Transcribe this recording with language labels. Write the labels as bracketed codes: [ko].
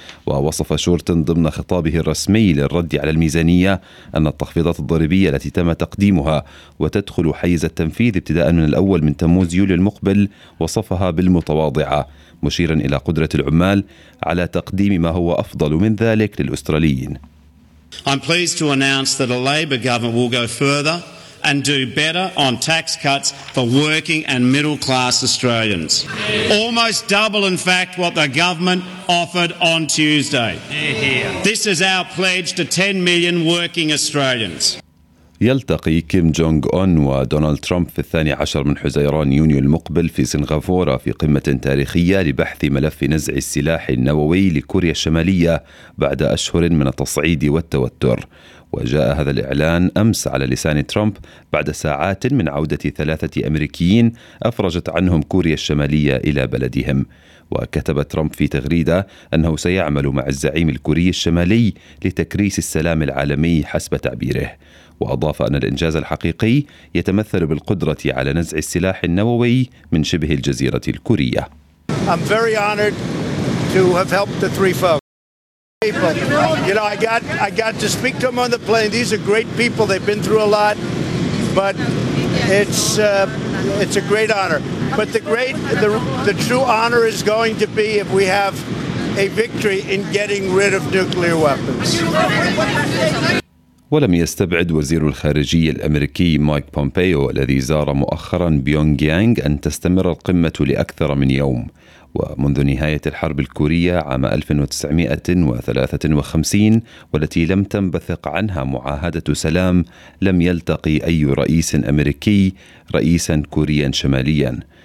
[ar] ووصف شورتن ضمن خطابه الرسمي للرد على الميزانية أن التخفيضات الضريبية التي تم تقديمها وتدخل حيز التنفيذ ابتداء من الأول من تموز يوليو المقبل وصفها بالمتواضعة، مشيرا إلى قدرة العمال على تقديم ما هو أفضل من ذلك للأستراليين. [en] I'm pleased to announce that a Labor government will go further and do better on tax cuts for working and middle class Australians. Almost double in fact what the government offered on Tuesday. This is our pledge to 10 million working Australians. [ar] يلتقي كيم جونغ أون ودونالد ترامب في 12 من حزيران يونيو المقبل في سنغافورة في قمة تاريخية لبحث ملف نزع السلاح النووي لكوريا الشمالية بعد أشهر من التصعيد والتوتر. وجاء هذا الإعلان أمس على لسان ترامب بعد ساعات من عودة 3 أمريكيين أفرجت عنهم كوريا الشمالية إلى بلدهم. وكتب ترامب في تغريدة أنه سيعمل مع الزعيم الكوري الشمالي لتكريس السلام العالمي حسب تعبيره، وأضاف أن الإنجاز الحقيقي يتمثل بالقدرة على نزع السلاح النووي من شبه الجزيرة الكورية. [en] I'm very honored to have helped the three people. You know, I got to speak to them on the plane. These are great people. They've been through a lot, but it's a great honor. But the true honor is going to be if we have a victory in getting rid of nuclear weapons. [ar] ولم يستبعد وزير الخارجية الأمريكي مايك بومبيو الذي زار مؤخرا بيونغ يانغ أن تستمر القمة لأكثر من يوم. ومنذ نهاية الحرب الكورية عام 1953 والتي لم تنبثق عنها معاهدة سلام، لم يلتقي أي رئيس أمريكي رئيسا كوريا شماليا.